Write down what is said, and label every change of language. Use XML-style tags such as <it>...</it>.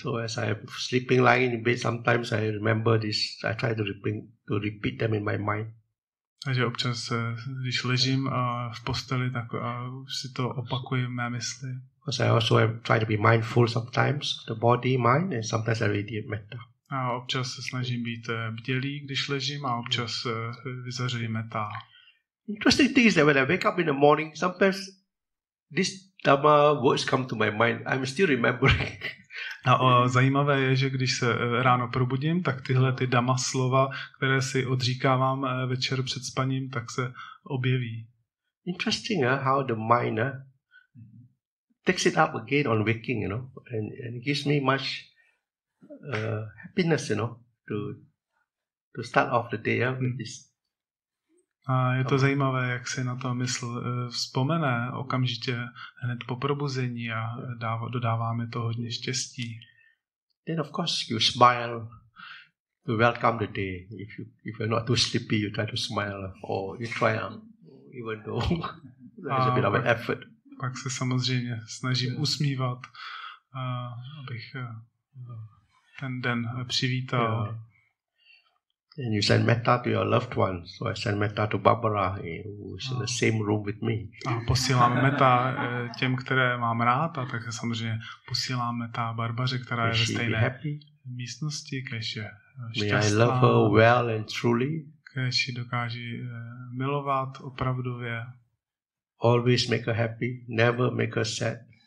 <en>So as I am sleeping lying in bed, sometimes I remember this, I try to repeat them in my mind.</en> <cs>Takže občas, když ležím v posteli, tak už si to opakuji v mé mysli.</cs> <en>Because I also try to be mindful sometimes, the body, mind, and sometimes I read metta.</en> <cs>A občas se snažím být bdělý, když ležím, a občas vyzařuji metta.</cs> <en>Interesting thing is that when I wake up in the morning, sometimes this Dhamma words come to my mind. I'm still remembering.</en> <cs>A zajímavé je, že když se ráno probudím, tak tyhle ty Dhamma slova, které si odříkávám večer před spaním, tak se objeví.</cs> <en>Interesting how the mind takes it up again on waking, you know, and gives me much happiness, you know, to start off the day with this.</en> <cs>A je to zajímavé, jak si na to mysl vzpomene okamžitě hned po probuzení a dodává mi to hodně štěstí.</cs> <en>Then of course you smile to welcome the day. If you're not too sleepy, you try to smile or you try even though there's a bit of an effort.</en> <cs>Pak se samozřejmě snažím usmívat, abych ten den přivítal.</cs> <en>Yeah. And you send metta to your loved one. So I send metta to Barbara, who is in the same room with me.</en> <cs>A posílám metta těm, které mám rád, a tak samozřejmě posílám metta Barbaře, která je ve stejné místnosti, kež je šťastná.</cs> <en>May I love her well and truly.</en> <cs>Kež ji dokáže milovat opravdově.</cs> <en>Always make her happy, never make her sad.</en>